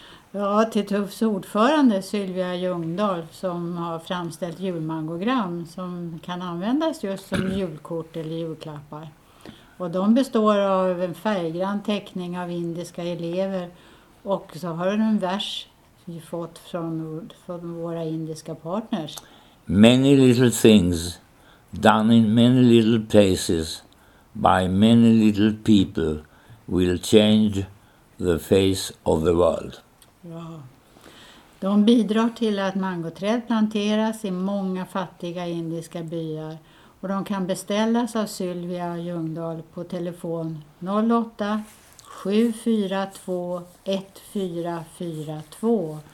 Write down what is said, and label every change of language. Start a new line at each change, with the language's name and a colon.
Swedish: Ja, till Tuffs ordförande Sylvia Ljungdahl som har framställt julmangogram som kan användas just som julkort eller julklappar. Och de består av en färggrann teckning av indiska elever. Och så har du en vers som vi fått från våra indiska partners.
English: Many little things done in many little places by many little people will change the face of the world.
Swedish: Ja. De bidrar till att mangoträd planteras i många fattiga indiska byar. Och de kan beställas av Sylvia Ljungdahl på telefon 08-742-1442.